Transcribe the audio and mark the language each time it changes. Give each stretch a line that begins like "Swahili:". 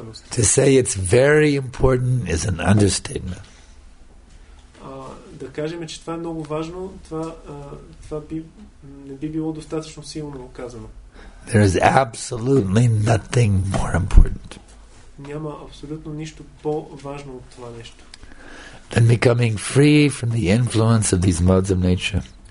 English: To say it's very important is an understatement.
Bulgarian: Да кажем, че това е много важно, това не би било достатъчно силно казано.
English: There is absolutely nothing more important.
Bulgarian: Няма абсолютно нищо по-важно от това нещо.
English: Than becoming free from the influence of these modes of nature.